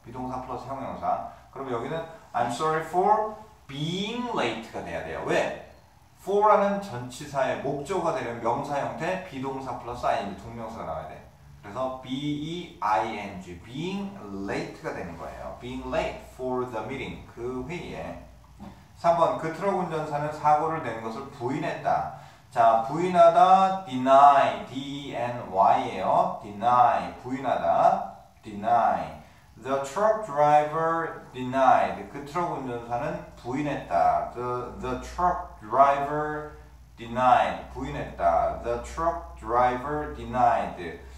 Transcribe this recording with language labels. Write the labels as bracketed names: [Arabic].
[Korean] 비동사 플러스 형용사. 그럼 여기는 [English] I'm sorry for being late [Korean] 가 돼야 돼요. 왜? for라는 전치사의 목적어가 되는 명사 형태 비동사 플러스 ing 동명사가 나와야 돼. 그래서 being, being late가 되는 거예요. [English] being late for the meeting, [Korean] 그 회의에. 3번, 그 트럭 운전사는 사고를 낸 것을 부인했다. 자, 부인하다, deny, D-E-N-Y예요. deny, 부인하다, deny. [English] The truck driver denied. [Korean] 그 트럭 운전사는 부인했다. [English] The truck driver denied. [Korean] 부인했다. [English] The truck driver denied.